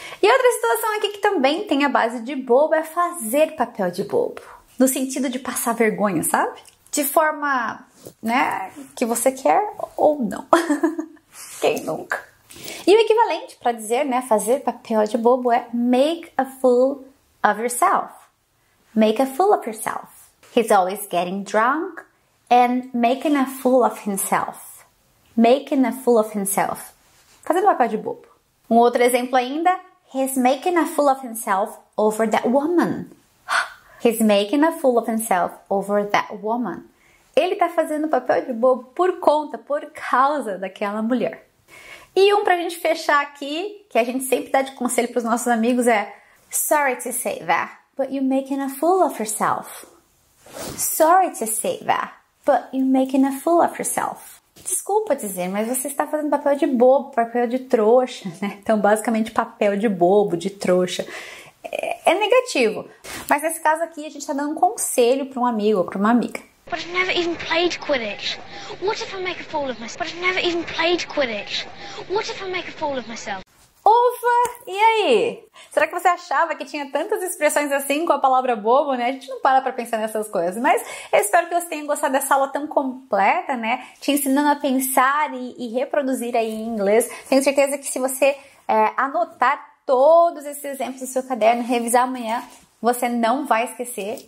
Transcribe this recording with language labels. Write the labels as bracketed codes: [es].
[pt] E outra situação aqui que também tem a base de bobo é fazer papel de bobo. No sentido de passar vergonha, sabe? De forma, né, que você quer ou não. Quem nunca? E o equivalente para dizer, né, fazer papel de bobo é [en] make a fool of yourself. Make a fool of yourself. He's always getting drunk and making a fool of himself. Making a fool of himself. [pt] Fazendo papel de bobo. Um outro exemplo ainda. [en] He's making a fool of himself over that woman. He's making a fool of himself over that woman. [pt] Ele tá fazendo papel de bobo por conta, por causa daquela mulher. E um pra gente fechar aqui, que a gente sempre dá de conselho pros nossos amigos, é: [en] sorry to say that, but you're making a fool of yourself. Sorry to say that, but you're making a fool of yourself. [pt] Desculpa dizer, mas você está fazendo papel de bobo, papel de trouxa, né? Então, basicamente, papel de bobo, de trouxa. É negativo. Mas nesse caso aqui, a gente está dando um conselho para um amigo ou para uma amiga. [en] But I've never even played Quidditch. What if I make a fool of myself? But I've never even played Quidditch. What if I make a fool of myself? [pt] Ufa! E aí? Será que você achava que tinha tantas expressões assim com a palavra bobo, né? A gente não para pra pensar nessas coisas. Mas eu espero que você tenha gostado dessa aula tão completa, né? Te ensinando a pensar e reproduzir aí em inglês. Tenho certeza que se você anotar todos esses exemplos no seu caderno, revisar amanhã, você não vai esquecer.